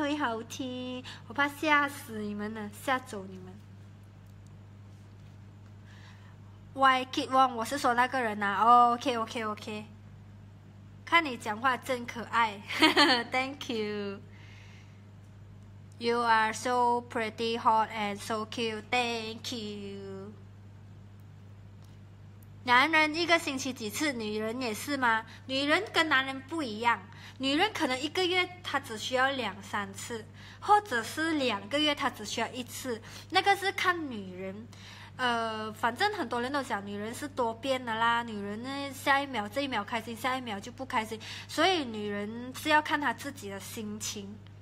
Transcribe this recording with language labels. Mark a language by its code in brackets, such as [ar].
[zh] 会好听，我怕吓死你们了，吓走你们。 YK Wong，我是说那个人呐、啊。OK。看你讲话真可爱 ， [en] Thank you. You are so pretty, hot and so cute. Thank you. [zh] 男人一个星期几次，女人也是吗？女人跟男人不一样，女人可能一个月她只需要2、3次，或者是2个月她只需要一次，那个是看女人。反正很多人都讲女人是多变的啦，女人呢下一秒这一秒开心，下一秒就不开心，所以女人是要看她自己的心情。